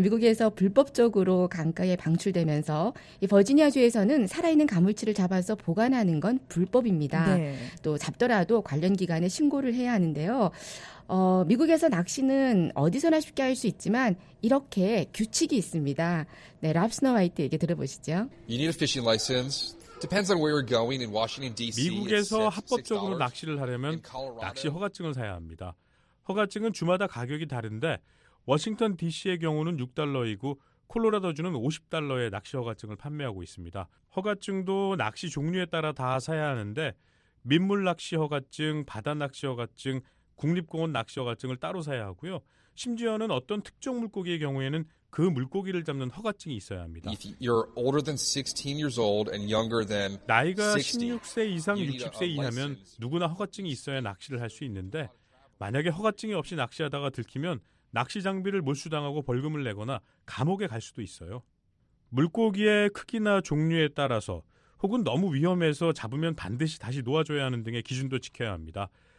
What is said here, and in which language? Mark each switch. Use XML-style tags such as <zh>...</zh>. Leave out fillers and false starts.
<ko>미국에서 불법적으로 강가에 방출되면서 이 버지니아주에서는 살아있는 가물치를 잡아서 보관하는 건 불법입니다. 네. 또 잡더라도 관련 기관에 신고를 해야 하는데요. 미국에서 낚시는 어디서나 쉽게 할 수 있지만 이렇게 규칙이 있습니다. 네, 랍스너 화이트에게 들어보시죠.</ko> <en>You need a fishing license. Depends on where you're going in Washington D.C.</en> <ko>미국에서 합법적으로 낚시를 하려면 낚시 허가증을 사야 합니다. 허가증은 주마다 가격이 다른데 워싱턴 D.C.의 경우는 6달러이고 콜로라도주는 50달러의 낚시 허가증을 판매하고 있습니다. 허가증도 낚시 종류에 따라 다 사야 하는데 민물 낚시 허가증, 바다 낚시 허가증, 국립공원 낚시 허가증을 따로 사야 하고요. 심지어는 어떤 특정 물고기의 경우에는 그 물고기를 잡는 허가증이 있어야 합니다.</ko> <en>If you're older than 16 years old and younger than</en> <ko>나이가 16세 이상 60세 이하면 누구나 허가증이 있어야 낚시를 할 수 있는데 만약에 허가증이 없이 낚시하다가 들키면 낚시 장비를 몰수당하고 벌금을 내거나 감옥에 갈 수도 있어요. 물고기의 크기나 종류에 따라서 혹은 너무 위험해서 잡으면 반드시 다시 놓아줘야 하는 등의 기준도 지켜야 합니다.</ko>